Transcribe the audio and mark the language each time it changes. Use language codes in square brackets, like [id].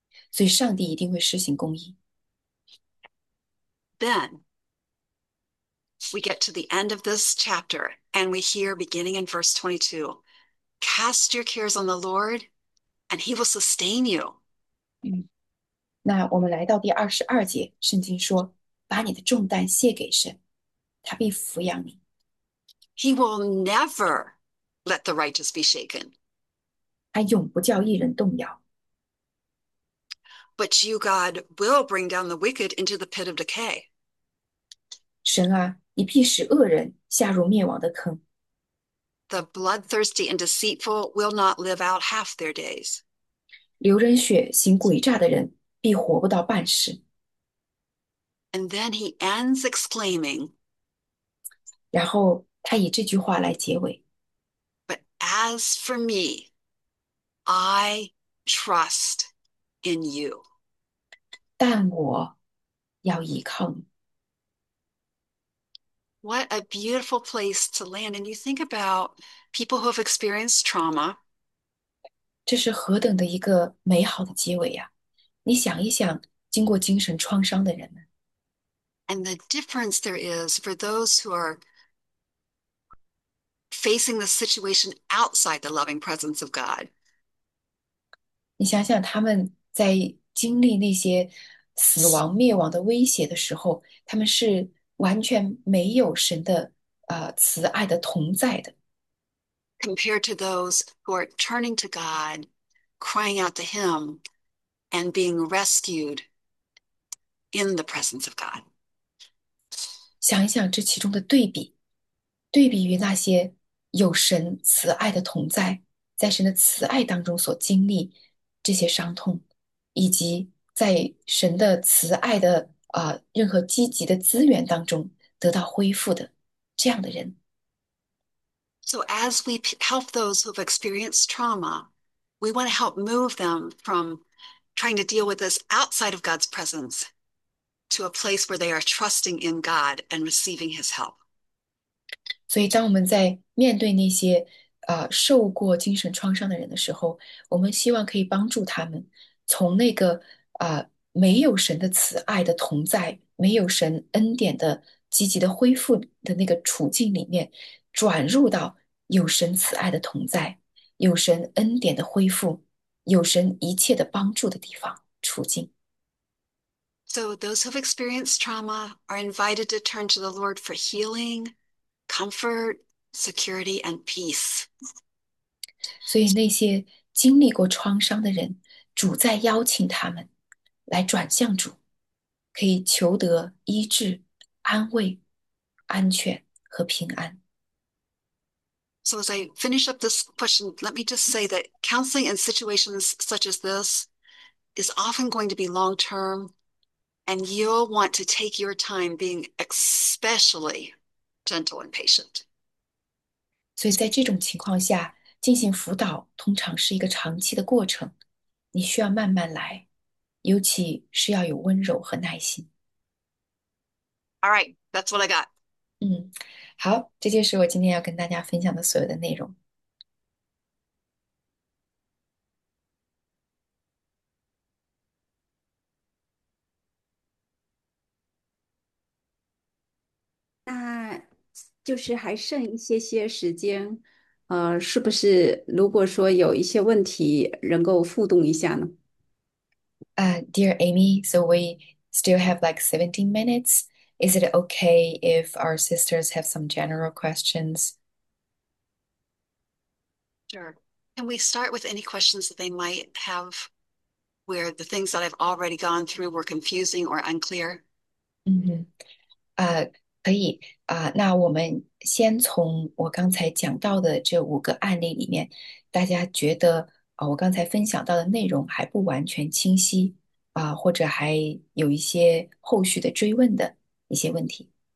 [zh] So, 上帝一定会施行公义。 [en] Then we get to the end of this chapter and we hear beginning in verse 22, cast your cares on the Lord and he will sustain you. [zh] 那我们来到第22节，圣经说：“把你的重担卸给神。” 他必抚养你。 [en] He will never let the righteous be shaken. [zh] 他永不叫一人动摇。 [en] But you, God, will bring down the wicked into the pit of decay. [zh] 神啊，你必使恶人下入灭亡的坑。 [en] The bloodthirsty and deceitful will not live out half their days. [zh] 流人血、行诡诈的人必活不到半世。 [en] And then he ends exclaiming, [zh] 然后他以这句话来结尾。 [en] But as for me, I trust in you. [zh] 但我要依靠你。 [en] What a beautiful place to land. And you think about people who have experienced trauma. [zh] 这是何等的一个美好的结尾呀！你想一想，经过精神创伤的人们。 [en] And the difference there is for those who are facing the situation outside the loving presence of God. [zh] 你想想，他们在经历那些死亡、灭亡的威胁的时候，他们是完全没有神的慈爱的同在的。 [en] Compared to those who are turning to God, crying out to Him, and being rescued in the presence of God. [zh] 想一想这其中的对比，对比于那些有神慈爱的同在，在神的慈爱当中所经历这些伤痛，以及在神的慈爱的任何积极的资源当中得到恢复的这样的人。 [en] So, as we help those who have experienced trauma, we want to help move them from trying to deal with this outside of God's presence to a place where they are trusting in God and receiving His help. [zh] 所以，当我们在面对那些受过精神创伤的人的时候，我们希望可以帮助他们从那个没有神的慈爱的同在、没有神恩典的积极的恢复的那个处境里面，转入到有神慈爱的同在、有神恩典的恢复、有神一切的帮助的地方处境。 [en] So, those who have experienced trauma are invited to turn to the Lord for healing, comfort, security, and peace. [zh] 所以，那些经历过创伤的人，主在邀请他们来转向主，可以求得医治、安慰、安全和平安。 [en] So, as I finish up this question, let me just say that counseling in situations such as this is often going to be long term. And you'll want to take your time being especially gentle and patient. [zh] 所以在这种情况下，进行辅导通常是一个长期的过程，你需要慢慢来，尤其是要有温柔和耐心。 [en] All right, that's what I got. [zh] 好，这就是我今天要跟大家分享的所有的内容。就是还剩一些些时间，是不是如果说有一些问题能够互动一下呢？ [en] Dear Amy, so we still have like 17 minutes. Is it okay if our sisters have some general questions? Sure. Can we start with any questions that they might have where the things that I've already gone through were confusing or unclear? [zh] 可以那我们先从我刚才讲到的这五个案例里面，大家觉得我刚才分享到的内容还不完全清晰。或者还有一些后续的追问的一些问题。